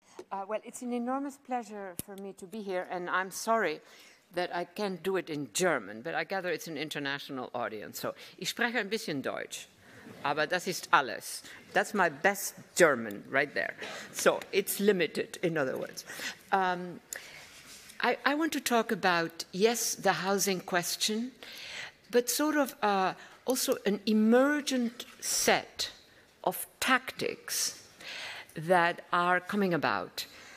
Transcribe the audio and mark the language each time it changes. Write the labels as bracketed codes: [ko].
[en] Well, it's an enormous pleasure for me to be here, and I'm sorry that I can't do it in German, but I gather it's an international audience. [de] So ich spreche ein bisschen Deutsch, aber das ist alles. [en] That's my best German right there. So it's limited, in other words. I want to talk about, yes, the housing question, but sort of also an emergent set of tactics that are coming about.